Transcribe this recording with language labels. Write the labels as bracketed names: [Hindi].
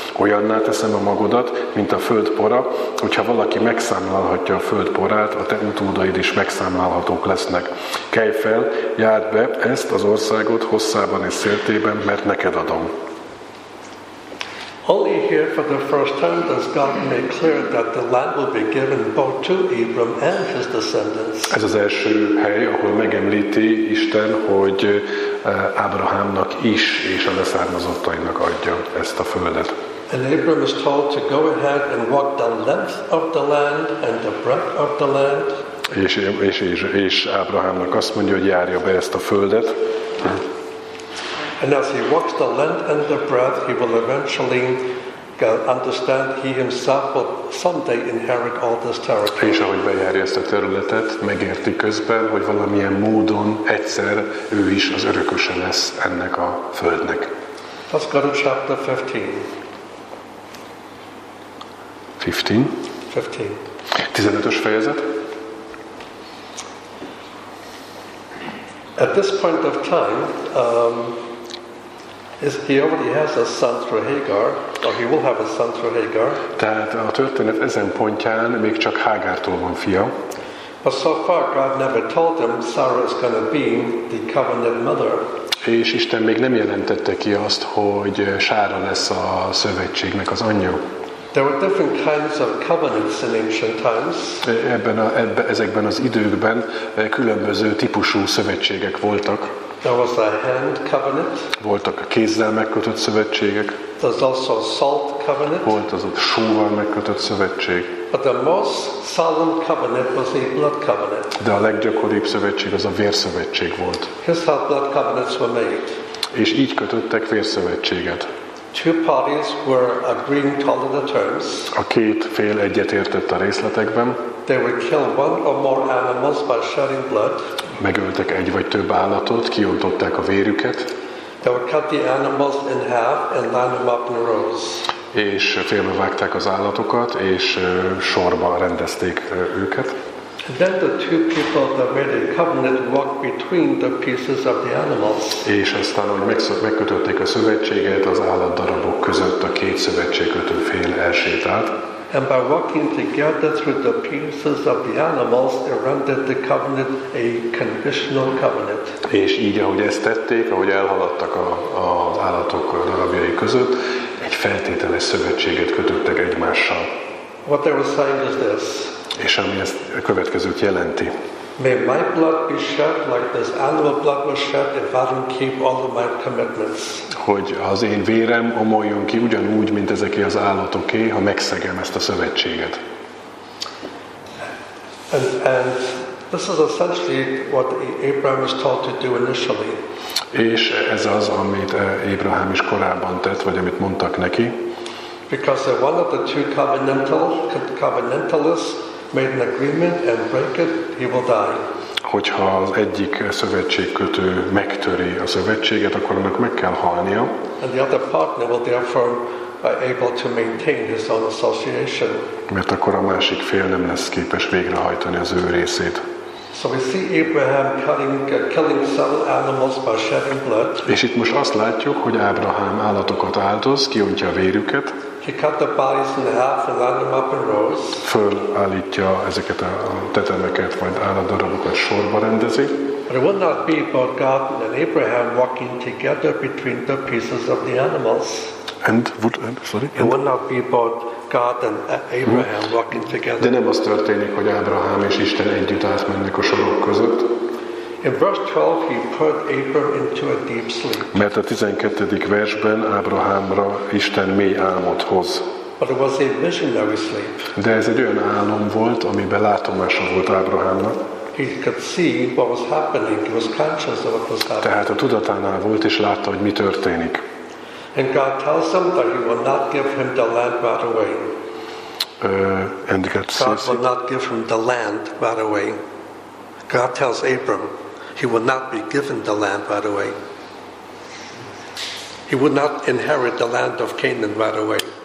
[Hungarian] Olyanná teszem a magodat, mint a föld pora, hogyha valaki megszámlálhatja a föld porát, a te utódaid is megszámlálhatók lesznek. Kelj fel, járd be ezt az országot hosszában és széltében, mert neked adom. [English] Only here for the first time does God make clear that the land will be given both to Abram and his descendants. [Hungarian] Ez az első hely, ahol megemlíti Isten, hogy Ábrahámnak is és a leszármazottainak adja ezt a földet. [English] And Abram is told to go ahead and walk the length of the land and the breadth of the land. [Hungarian] És Ábrahámnak azt mondja, hogy járja be ezt a földet. [English] And as he walks the length and the breadth, he will eventually [Hungarian] kell [English] understand, he himself will someday inherit all this territory. [Hungarian] És ahogy bejárja ezt a területet, megérti közben, hogy valamilyen módon egyszer ő is az örököse lesz ennek a földnek. [English] Let's go to chapter 15. 15? 15. [Hungarian] 15-ös fejezet. [English] At this point of time, he already has a son through Hagar, or he will have a son through Hagar. [Hungarian] Tehát a történet ezen pontján még csak Hágártól van fia. [English] But so far God never told him Sarah is going to be the covenant mother. [Hungarian] És Isten még nem jelentette ki azt, hogy Sára lesz a szövetségnek az anyja. [English] There were different kinds of covenants in ancient times. [Hungarian] Ezekben az időkben különböző típusú szövetségek voltak. [English] There was a hand covenant. [Hungarian] Voltak a kézzel megkötött szövetségek. [English] There's also a salt covenant. [Hungarian] Volt az a sóval megkötött szövetség. [English] But the most solemn covenant was the blood covenant. [Hungarian] De a leggyakoribb szövetség az a vérszövetség volt. [English] Here's how blood covenants were made. [Hungarian] És így kötöttek vérszövetséget. [English] Two parties were agreeing to all the terms. [Hungarian] A két fél egyetértett a részletekben. [English] They would kill one or more animals by shedding blood. [Hungarian] Megöltek egy vagy több állatot, kiontották a vérüket. [English] They would cut the animals in half and line them up in rows. [Hungarian] És félbe vágták az állatokat, és sorba rendezték őket. [English] And then the two people that made the covenant walked between the pieces of the animals. [Hungarian] És aztán, hogy megkötötték a szövetséget, az állatdarabok között a két szövetségkötő fél elsétált. [English] And by walking together through the pieces of the animals, they rendered the covenant a conditional covenant. [Hungarian] És így, ahogy ezt tették, ahogy elhaladtak az állatok darabjai között, egy feltételes szövetséget kötöttek egymással. [English] What they were saying is this. [Hungarian] És ami ezt a következőt jelenti. [English] May my blood be shed like this animal blood was shed if I don't keep all of my commitments. [Hungarian] Hogy az én vérem omoljon ki ugyanúgy, mint ezeké az állatoké, ha megszegem ezt a szövetséget. [English] And this is essentially what Abraham is taught to do initially. [Hungarian] És ez az, amit Abraham is korábban tett, vagy amit mondtak neki. [English] Because one of the two covenantalists made an agreement and break it, he will die. [Hungarian] Hogyha az egyik szövetségkötő megtöri a szövetséget, akkor annak meg kell halnia. [English] And the other partner will therefore be able to maintain his own association. [Hungarian] Mert akkor a másik fél nem lesz képes végrehajtani az ő részét. [English] So we see Abraham killing some animals by shedding blood. [Hungarian] És itt most azt látjuk, hogy Ábrahám állatokat áldoz, kiontja a vérüket. [English] He cut the bodies in half and lined them up in rows. [Hungarian] Fölállítja ezeket a tetemeket, majd állatdarabokat sorba rendezi. [English] But it would not be about God and Abraham walking together between the pieces of the animals. It would not be about God and Abraham walking together. [Hungarian] De nem az történik, hogy Ábrahám és Isten együtt átmennek a sorok között. [English] In verse 12, he put Abraham into a deep sleep. [Hungarian] Mert a 12. versben Ábrahámra Isten mély álmot hoz. [English] But it was a visionary sleep. [Hungarian] De ez egy olyan álom volt, amiben látomása volt Ábrahámnak. [English] He could see what was happening. He was conscious of what was happening. [Hungarian] Tehát a tudatánál volt és látta, hogy mi történik. [English] And God tells him that He will not give him the land right away. God will not give him the land right away. God tells Abram, he will not be given the land right away. He would not inherit the land of Canaan right away.